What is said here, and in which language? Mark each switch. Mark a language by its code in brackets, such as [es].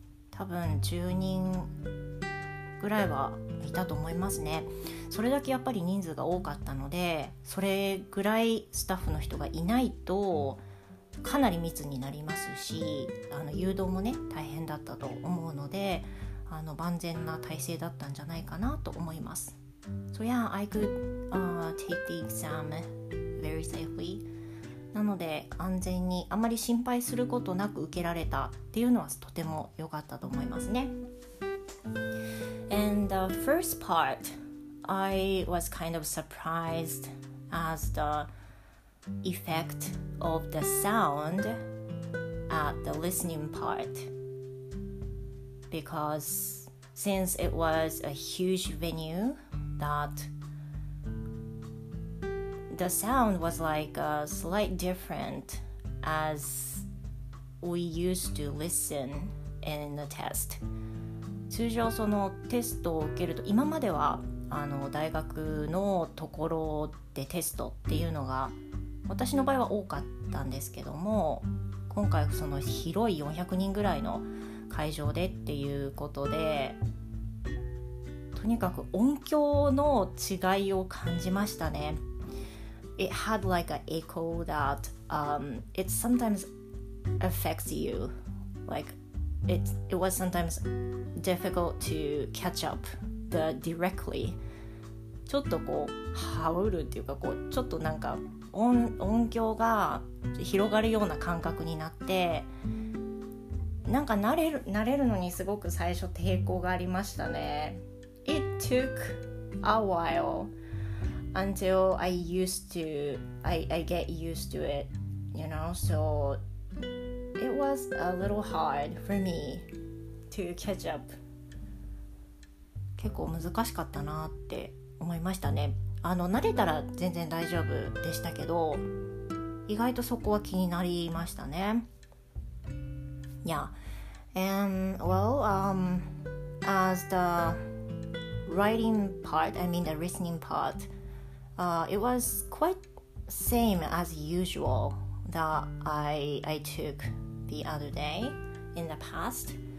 [ja] 多分10人ぐらいはいたと思いますね。それだけやっぱり人数が多かったので、それぐらいスタッフの人がいないとかなり密になりますし、あの誘導もね大変だったと思うので、あの万全な体制だったんじゃないかなと思います。 [en] So yeah, I could take the exam very safely. [ja] なので安全にあまり心配することなく受けられたっていうのはとても良かったと思いますね。 [en] And the first part, I was kind of surprised as the effect of the sound at the listening partBecause since it was a huge venue, that the sound was like a slight different as we used to listen in the test. [ja] 通常そのテストを受けると、今まではあの大学のところでテストっていうのが私の場合は多かったんですけども、今回その広い400人ぐらいの会場でっていうことで、とにかく音響の違いを感じましたね。 [en] It had like an echo that it sometimes affects you. Like it was sometimes difficult to catch up the directly. [ja] ちょっとこうハウルっていうか、こうちょっとなんか 音響が広がるような感覚になって、なんか慣れるのにすごく最初抵抗がありましたね。 [en] It took a while until I get used to it, you know, so it was a little hard for me to catch up. [ja] 結構難しかったなって思いましたね。あの慣れたら全然大丈夫でしたけど、意外とそこは気になりましたね。 [en] Yeah. And well, as the writing part, I mean the listening part, it was quite same as usual that I took the other day in the past.